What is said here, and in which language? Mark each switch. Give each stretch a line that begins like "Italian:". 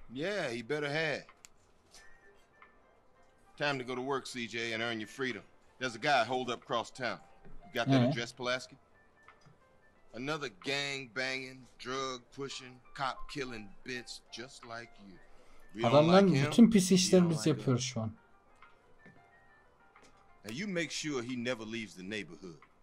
English: Yeah, he better have. Time to go to work, CJ, and earn your freedom. There's a guy holed up across town. You got that address, Pulaski? Another gang-banging, drug-pushing, cop-killing bitch just like you.
Turkish: Adamların bütün pis işlerimizi yapıyor şu an.
English: Now you make sure he never leaves the neighborhood.